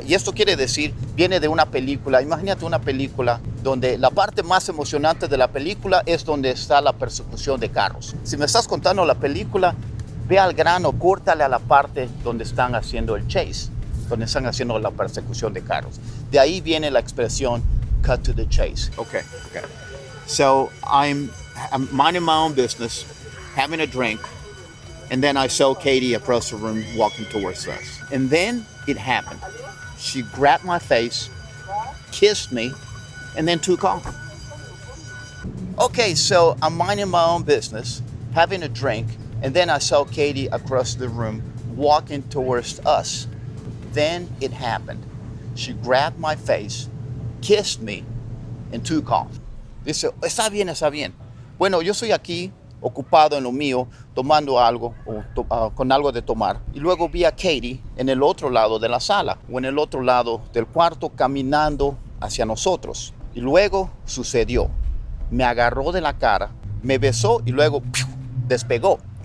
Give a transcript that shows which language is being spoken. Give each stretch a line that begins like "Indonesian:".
Spanish: Y esto quiere decir, viene de una película. Imagínate una película donde la parte más emocionante de la película es donde está la persecución de carros. Si me estás contando la película, ve al grano, córtale a la parte donde están haciendo el chase, donde están haciendo la persecución de carros. De ahí viene la expresión cut to the chase.
English: Okay, okay. So I'm minding my own business, having a drink, and then I saw Katie across the room walking towards us. And then it happened. She grabbed my face, kissed me, and then took off. Okay, so I'm minding my own business, having a drink, and then I saw Katie across the room walking towards us. Then it happened. She grabbed my face, kissed me, and took off.
Spanish: Dice, está bien, está bien. Bueno, yo soy aquí, ocupado en lo mío, tomando algo, con algo de tomar. Y luego vi a Katie en el otro lado de la sala, o en el otro lado del cuarto, caminando hacia nosotros. Y luego sucedió. Me agarró de la cara, me besó, y luego ¡piu! Despegó.